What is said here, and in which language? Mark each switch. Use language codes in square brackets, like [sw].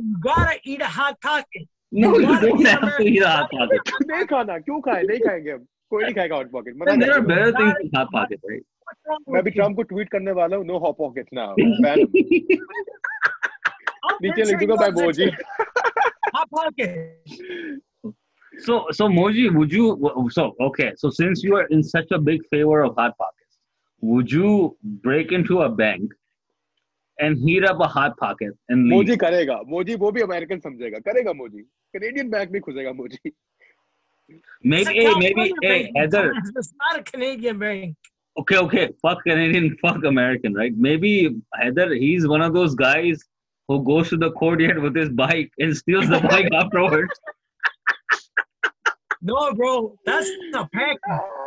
[en] You gotta eat a hot pocket. No, you don't have to eat a hot pocket. There are better things than hot pocket, right? [hi] मैं भी Trump को tweet करने वाला हूँ [en] no hot pocket [hi] ना नीचे लिख दूंगा भाई मोजी [en] hot pocket so मोजी would you so okay so since you are in such a big favour of hot pocket would you break into a bank and heat up a hot pocket and [hi] मोजी करेगा मोजी वो भी American समझेगा करेगा मोजी Canadian bank भी खुजेगा मोजी [en] It's not a Canadian bank. Okay, fuck Canadian, fuck American, right? Maybe either he's one of those guys who goes to the courtyard with his bike and steals the bike afterwards. No, bro, that's a packy.